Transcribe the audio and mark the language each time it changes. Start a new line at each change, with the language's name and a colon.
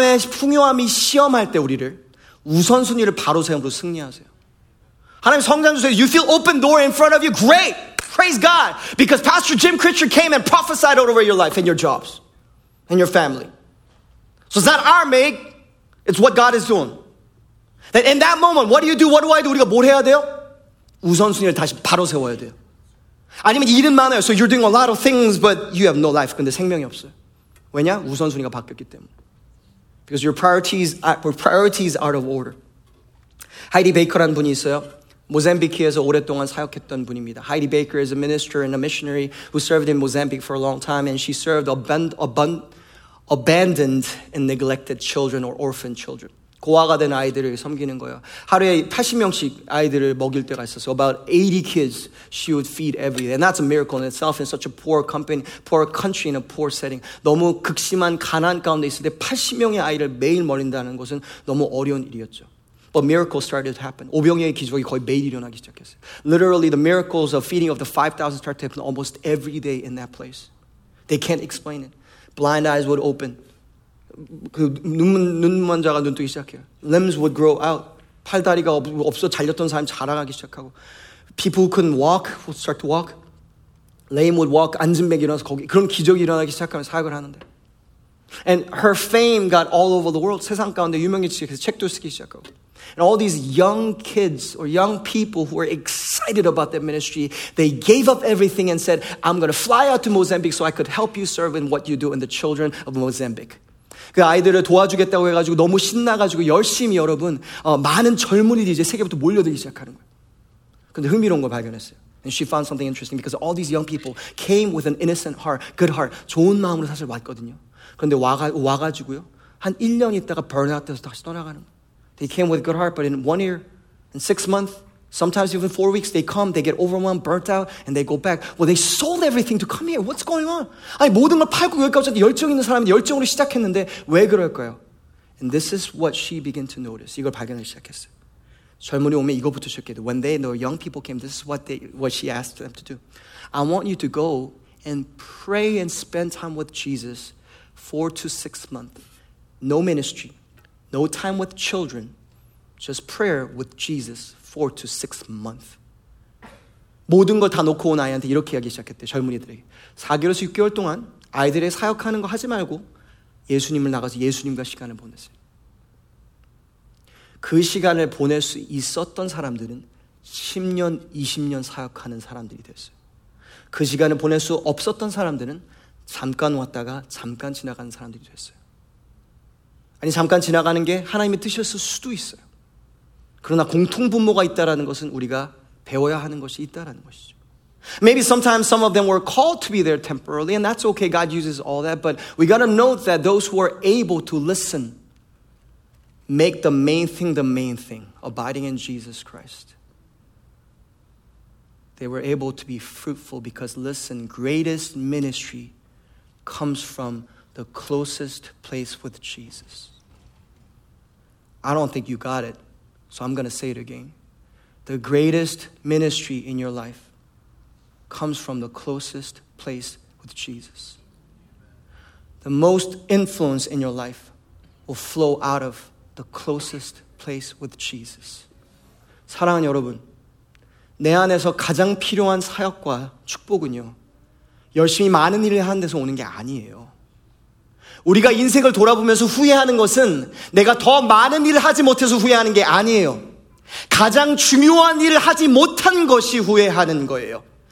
Korean: 풍요함이 시험할 때 우리를 우선순위를 바로 세우고 승리하세요. 하나님 성장 주세요.
English: You feel open door in front of you? Great! Praise God! Because Pastor Jim Critcher came and prophesied over your life and your jobs and your family. So it's not our make. It's what God is doing. That in that moment, what do you do? What do I do?
Korean: 우리가 뭘 해야 돼요? 우선순위를 다시 바로 세워야 돼요. 아니면 일은 많아요.
English: So you're doing a lot of things, but you have no life.
Korean: 근데 생명이 없어요. 왜냐? 우선순위가 바뀌었기 때문에.
English: Because your priorities are out of order.
Korean: 하이디 베이커라는 분이 있어요. 모잠비크에서 오랫동안 사역했던 분입니다.
English: Heidi Baker is a minister and a missionary who served in Mozambique for a long time, and she served abandoned and neglected children or orphan children.
Korean: 고아가 된 아이들을 섬기는 거예요. 하루에 80명씩 아이들을 먹일 때가 있었어요.
English: About 80 kids she would feed every day. And that's a miracle in itself in such a poor company, poor country in a poor setting.
Korean: 너무 극심한 가난 가운데 있을 때 80명의 아이를 매일 먹인다는 것은 너무 어려운 일이었죠.
English: But miracles started to happen.
Korean: 오병이의 기적이 거의 매일 일어나기 시작했어요.
English: Literally the miracles of feeding of the 5,000 started to happen almost every day in that place. They can't explain it. Blind eyes would open.
Korean: 그 눈먼자가 눈뜨기 시작해요.
English: Limbs would grow out.
Korean: 팔다리가 없어 잘렸던 사람이 자라나기 시작하고.
English: People who couldn't walk would start to walk. Lame would walk.
Korean: 앉은뱅이 일어나서 거기. 그런 기적이 일어나기 시작하면 사역을 하는데.
English: And her fame got all over the world.
Korean: 세상 가운데 유명해지기 시작해서 책도 쓰기 시작하고.
English: And all these young kids or young people who were excited about that ministry, they gave up everything and said, I'm going to fly out to Mozambique so I could help you serve in what you do in the children of Mozambique.
Korean: 그 아이들을 도와주겠다고 해가지고 너무 신나가지고 열심히 여러분 많은 젊은이들이 이제 세계부터 몰려들기 시작하는 거예요. 근데 흥미로운 걸 발견했어요.
English: And she found something interesting because all these young people came with an innocent heart, good heart,
Korean: 좋은 마음으로 사실 왔거든요. 그런데 와가지고요. 한 1년 있다가 burnout 돼서 다시 떠나가는 거예요.
English: They came with a good heart, but in 1 year, in 6 months, sometimes even 4 weeks, they come, they get overwhelmed, burnt out, and they go back. Well, they sold everything to come here. What's going on?
Korean: 아니, 모든 걸 팔고 여기까지 왔는데 열정 있는 사람인데 열정으로 시작했는데 왜 그럴까요?
English: And this is what she began to notice.
Korean: 이걸 발견하기 시작했어요. 젊은이 오면 이거부터 시작해도.
English: When they, the young people came, this is what she asked them to do. I want you to go and pray and spend time with Jesus 4 to 6 months. No ministry. No time with children, just prayer with Jesus 4 to 6 months.
Korean: 모든 걸 다 놓고 온 아이한테 이렇게 이야기 시작했대, 젊은이들에게. 4개월에서 6개월 동안 아이들의 사역하는 거 하지 말고 예수님을 나가서 예수님과 시간을 보냈어요. 그 시간을 보낼 수 있었던 사람들은 10년, 20년 사역하는 사람들이 됐어요. 그 시간을 보낼 수 없었던 사람들은 잠깐 왔다가 잠깐 지나가는 사람들이 됐어요. 아니 잠깐 지나가는 게 하나님의 뜻이었을 수도 있어요. 그러나 공통분모가 있다라는 것은 우리가 배워야 하는 것이 있다라는 것이죠.
English: Maybe sometimes some of them were called to be there temporarily and that's okay. God uses all that. But we got to note that those who are able to listen make the main thing, abiding in Jesus Christ. They were able to be fruitful because listen, greatest ministry comes from the closest place with Jesus. I don't think you got it, so I'm going to say it again. The greatest ministry in your life comes from the closest place with Jesus. The most influence in your life will flow out of the closest place with Jesus.
Korean: 사랑하는 여러분, 내 안에서 가장 필요한 사역과 축복은요, 열심히 많은 일을 하는 데서 오는 게 아니에요. 우리가 인생을 돌아보면서 후회하는 것은 내가 더 많은 일을 하지 못해서 후회하는 게 아니에요. 가장 중요한 일을 하지 못한 것이 후회하는 거예요.